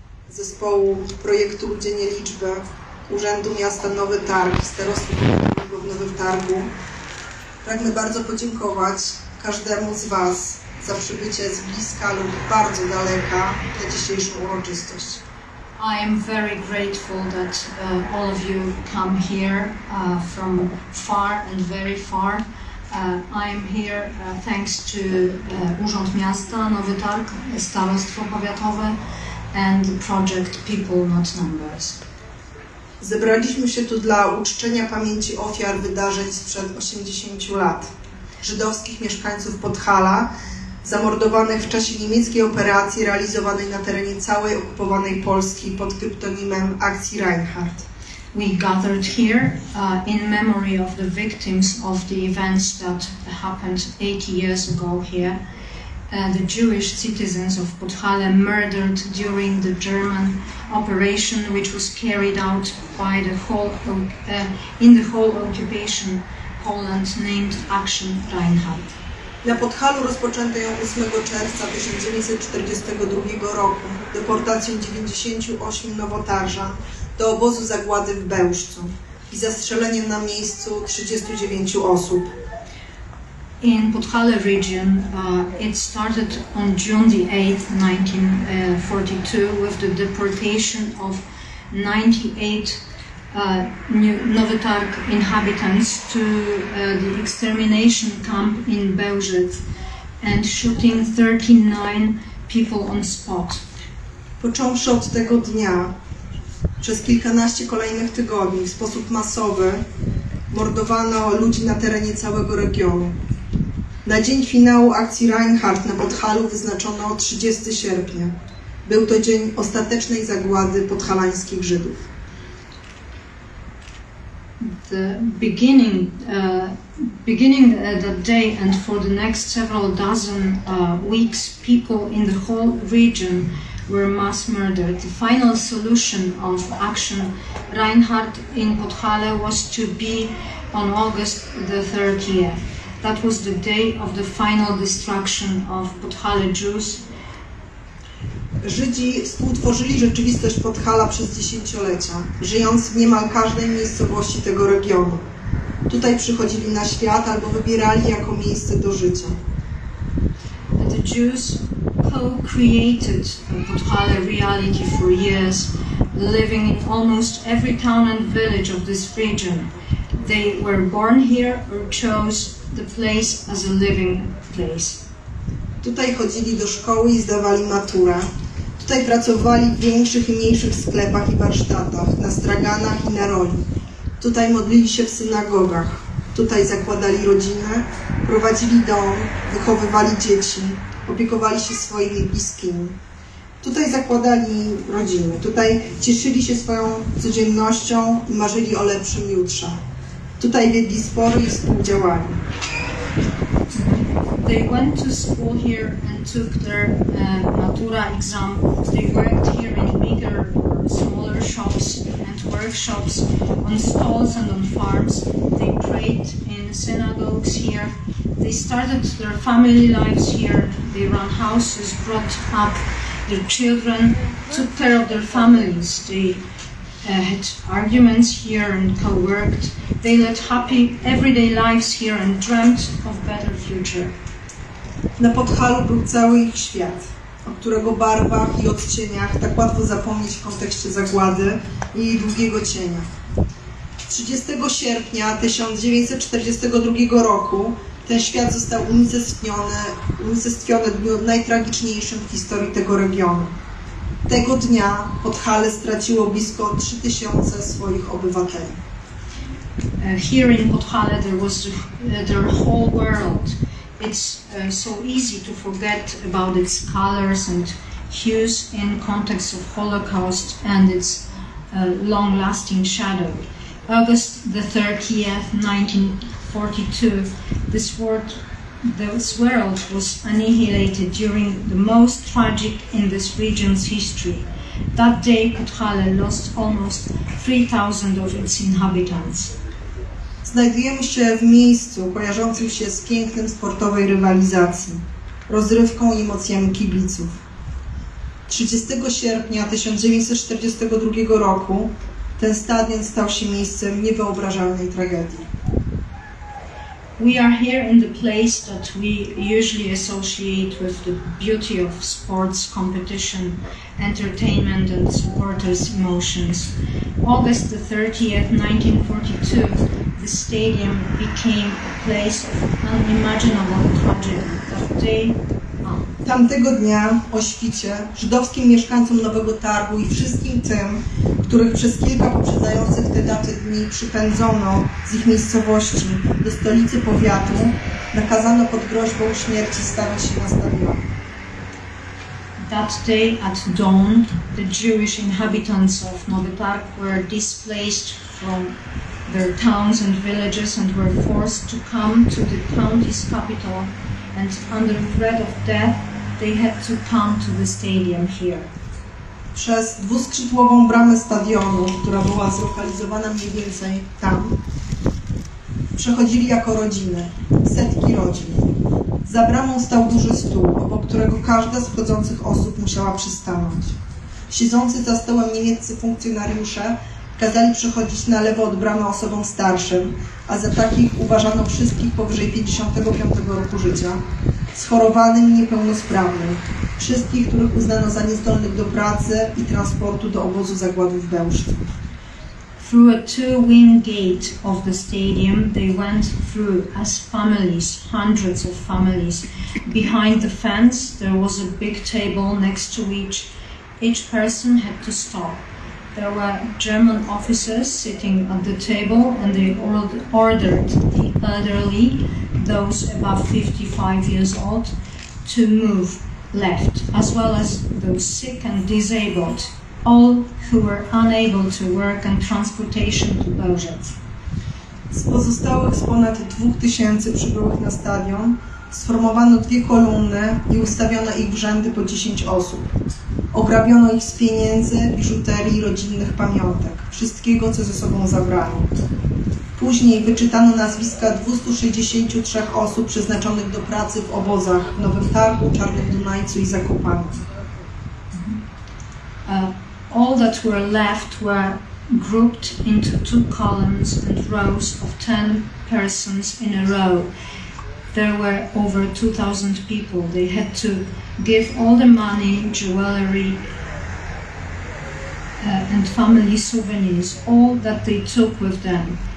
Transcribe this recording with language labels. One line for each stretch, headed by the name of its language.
Polish: zespołu projektu Ludzie nie liczby Urzędu Miasta Nowy Targ, Starostwa Powiatowego w Nowym Targu. Pragnę bardzo podziękować każdemu z Was za przybycie z bliska lub bardzo daleka na dzisiejszą uroczystość.
English: I am very grateful that all of you come here from far and very far. I am here thanks to Urząd Miasta Nowy Targ, Starostwo Powiatowe and the project People Not Numbers.
Polish: Zebraliśmy się tu dla uczczenia pamięci ofiar wydarzeń sprzed 80 lat. Żydowskich mieszkańców Podhala, zamordowanych w czasie niemieckiej operacji realizowanej na terenie całej okupowanej Polski pod kryptonimem Akcji Reinhardt.
English: We gathered here in memory of the victims of the events that happened 80 years ago here. The Jewish citizens of Podhale murdered during the German operation, which was carried out by the whole in the whole occupation Poland named Action Reinhardt.
Polish: Na Podhalu rozpoczęto ją 8 czerwca 1942 roku deportacją 98 nowotarzan do obozu zagłady w Bełżcu i zastrzeleniem na miejscu 39 osób.
English: In Podhale region, it started on June the 8th, 1942, with the deportation of 98 Nowy Targ inhabitants to the extermination camp in Bełżec and shooting 39 people on spot.
Polish: Począwszy od tego dnia, przez kilkanaście kolejnych tygodni, w sposób masowy mordowano ludzi na terenie całego regionu. Na dzień finału akcji Reinhardt na Podhalu wyznaczono 30 sierpnia. Był to dzień ostatecznej zagłady podhalańskich Żydów.
English: The beginning, that day and for the next several dozen weeks, people in the whole region were mass murdered. The final solution of Action Reinhardt in Podhale was to be on August the 30th. That was the day of the final destruction of Podhale Jews.
Polish: Żydzi współtworzyli rzeczywistość Podhala przez dziesięciolecia, żyjąc w niemal każdej miejscowości tego regionu. Tutaj przychodzili na świat albo wybierali jako miejsce do życia.
English: The Jews co-created Podhale reality for years, living in almost every town and village of this region. They were born here or chose the place as a living place.
Polish: Tutaj chodzili do szkoły i zdawali maturę. Tutaj pracowali w większych i mniejszych sklepach i warsztatach, na straganach i na roli. Tutaj modlili się w synagogach. Tutaj zakładali rodzinę, prowadzili dom, wychowywali dzieci, opiekowali się swoimi bliskimi. Tutaj zakładali rodziny. Tutaj cieszyli się swoją codziennością i marzyli o lepszym jutrze. Tutaj wiedli spory i współdziałali.
English: They went to school here and took their matura exam. They worked here in bigger, smaller shops and workshops, on stalls and on farms. They prayed in synagogues here. They started their family lives here. They ran houses, brought up their children, took care of their families. They had arguments here and co-worked. They led happy everyday lives here and dreamt of better future.
Polish: Na Podhalu był cały ich świat, o którego barwach i odcieniach tak łatwo zapomnieć w kontekście zagłady i jej długiego cienia. 30 sierpnia 1942 roku ten świat został unicestwiony w dniu najtragiczniejszym w historii tego regionu. Tego dnia Podhale straciło blisko 3000 swoich obywateli.
English: Here in Podhale there was their whole world. It's so easy to forget about its colors and hues in context of Holocaust and its long-lasting shadow. August the 30th, 1942, this world was annihilated during the most tragic in this region's history. That day, Podhale lost almost 3,000 of its inhabitants.
Polish: Znajdujemy się w miejscu kojarzącym się z pięknem sportowej rywalizacji, rozrywką i emocjami kibiców. 30 sierpnia 1942 roku ten stadion stał się miejscem niewyobrażalnej tragedii.
English: We are here in the place that we usually associate with the beauty of sports competition, entertainment and supporters' emotions. August 30th, 1942, the stadium became a place of unimaginable tragedy.
Polish: Tamtego dnia o świcie żydowskim mieszkańcom Nowego Targu i wszystkim tym, których przez kilka poprzedzających te daty dni przypędzono z ich miejscowości do stolicy powiatu, nakazano pod groźbą śmierci stawić się na stadion.
English: That day at dawn, the Jewish inhabitants of Nowy Targ were displaced from their towns and villages and were forced to come to the county's capital and under threat of death, they had to come to the stadium here.
Polish: Przez dwuskrzydłową bramę stadionu, która była zlokalizowana mniej więcej tam, przechodzili jako rodziny, setki rodzin. Za bramą stał duży stół, obok którego każda z wchodzących osób musiała przystanąć. Siedzący za stołem niemieccy funkcjonariusze kazali przechodzić na lewo od bramy osobom starszym, a za takich uważano wszystkich powyżej 55 roku życia, schorowanym i niepełnosprawnym, wszystkich, których uznano za niezdolnych do pracy i transportu do obozu zagłady w Bełżcu.
English: Through a two-wing gate of the stadium, they went through as families, hundreds of families. Behind the fence, there was a big table next to which each person had to stop. There were German officers sitting at the table and they ordered the elderly, those above 55 years old, to move left, as well as those sick and disabled, all who were unable to work and transportation to Bełżec.
Polish: Z pozostałych ponad 2000 przybyłych na stadion sformowano dwie kolumny i ustawiono ich w rzędy po 10 osób. Ograbiono ich z pieniędzy, biżuterii i rodzinnych pamiątek, wszystkiego, co ze sobą zabrano. Później wyczytano nazwiska 263 osób przeznaczonych do pracy w obozach w Nowym Targu, Czarnym Dunajcu i Zakopanem.
English: All that were left were grouped into two columns and rows of 10 persons in a row. There were over 2,000 people. They had to give all the money, jewelry, and family souvenirs, all that they took with them.